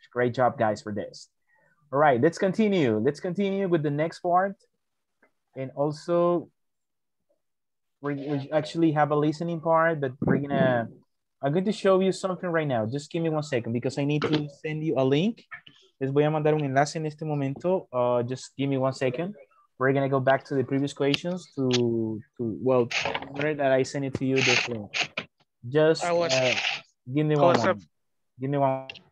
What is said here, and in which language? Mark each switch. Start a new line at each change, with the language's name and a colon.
English: Great job, guys, for this. All right, let's continue. Let's continue with the next part. And also, we actually have a listening part, but we're gonna, I'm going to show you something right now. Just give me 1 second because I need to send you a link.
Spanish: Les voy a mandar un enlace en este momento.
English: Just give me 1 second. We're gonna go back to the previous questions that I sent it to you this one. Give me one.